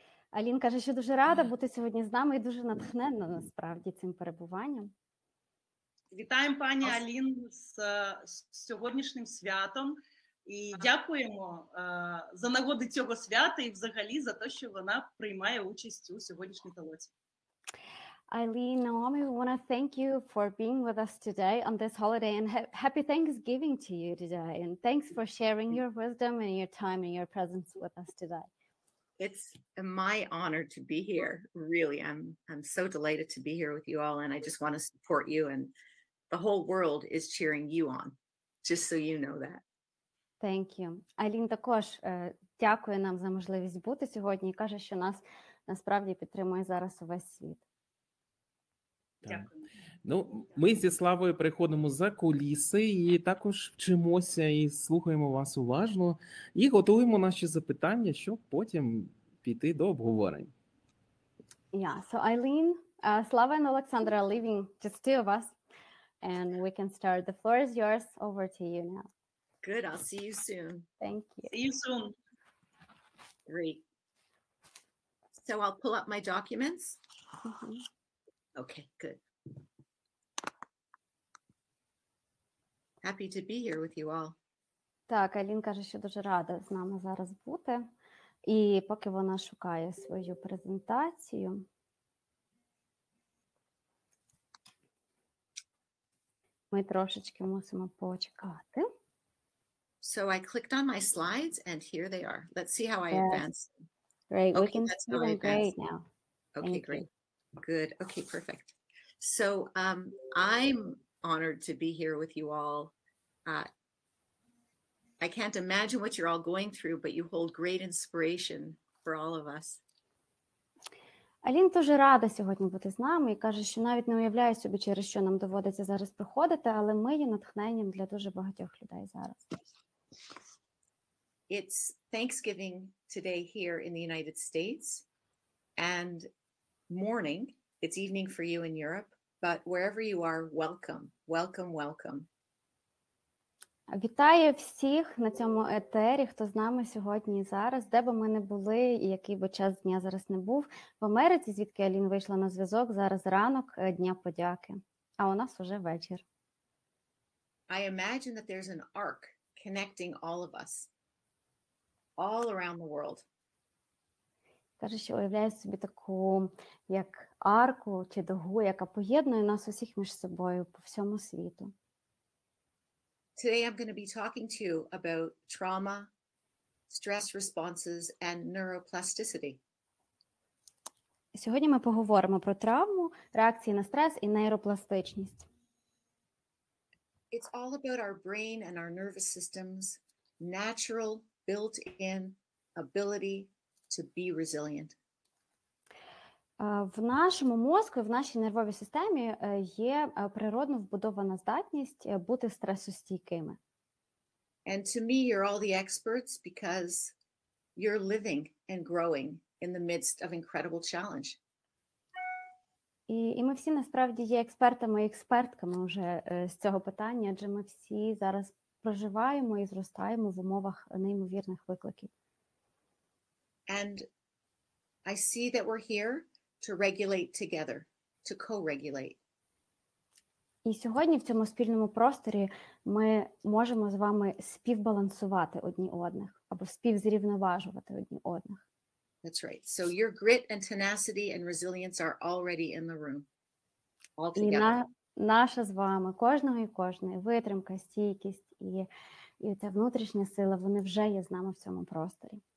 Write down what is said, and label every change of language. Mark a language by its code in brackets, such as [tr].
[uk] Алін каже, що дуже рада бути сьогодні з нами і дуже натхнена насправді цим перебуванням. Вітаємо пані Алін з сьогоднішнім святом. І дякуємо за нагоди цього свята і взагалі за те, що вона приймає участь у сьогоднішній толоці. [en] Айлін, Наомі, we want to thank you for being with us today on this holiday and happy Thanksgiving to you today. And thanks for sharing your wisdom and your time and your presence with us today. It's my honor to be here. Really, I'm so delighted to be here with you all and I just want to support you and the whole world is cheering you on. Just so you know that. Thank you. [uk] Айлін також дякує нам за можливість бути сьогодні і каже, що нас насправді підтримує зараз увесь світ. Дякую. Ну, ми зі Славою приходимо за куліси і також вчимося і слухаємо вас уважно і готуємо наші запитання, щоб потім піти до обговорень. [en] Yeah, so Айлін, Слава and Олександра leaving just two of us and we can start. The floor is yours. Over to you now. Good, I'll see you soon. Thank you. See you soon. Great. So I'll pull up my documents. Mm-hmm. Okay, good. Happy to be here with you all. [uk] Так, Айлін каже, що дуже рада з нами зараз бути. І поки вона шукає свою презентацію. Ми трошечки мусимо почекати. [en] So I clicked on my slides and here they are. Let's see how I advance. Great. Okay, we can see them great now. Okay, great. Good. Okay, perfect. So I'm honored to be here with you all. I can't imagine what you're all going through, but you hold great inspiration for all of us. [uk] Айлін дуже рада сьогодні бути з нами і каже, що навіть не уявляє собі, через що нам доводиться зараз проходити, але ми є натхненням для дуже багатьох людей зараз. [en] It's Thanksgiving today here in the United States and morning, it's evening for you in Europe, but wherever you are, welcome. [uk] Вітаю всіх на цьому етері, хто з нами сьогодні і зараз, де би ми не були і який би час дня зараз не був. В Америці, звідки Алін вийшла на зв'язок, зараз ранок Дня Подяки, а у нас уже вечір. [en] I imagine that there's an arc connecting all of us, all around the world. [uk] Каже, що уявляє собі таку, як арку чи дугу, яка поєднує нас усіх між собою по всьому світу. [en] Today I'm going to be talking to you about trauma, stress responses and neuroplasticity. [uk] Сьогодні ми поговоримо про травму, реакції на стрес і нейропластичність. [en] It's all about our brain and our nervous system's natural built-in ability to be resilient. [uk] В нашому мозку, в нашій нервовій системі є природно вбудована здатність бути стресостійкими. [en] And to me you're all the experts because you're living and growing in the midst of incredible challenge. [uk] І ми всі насправді є експертами і експертками вже з цього питання, адже ми всі зараз проживаємо і зростаємо в умовах неймовірних викликів. [en] And I see that we're here to regulate together, to co-regulate. [uk] І сьогодні в цьому спільному просторі ми можемо з вами співбалансувати одні одних або співзрівноважувати одні одних. [en] That's right. So your grit and tenacity and resilience are already in the room. All together. [uk] Наша з вами, кожного і кожної, витримка, стійкість і ця внутрішня сила, вони вже є з нами в цьому просторі.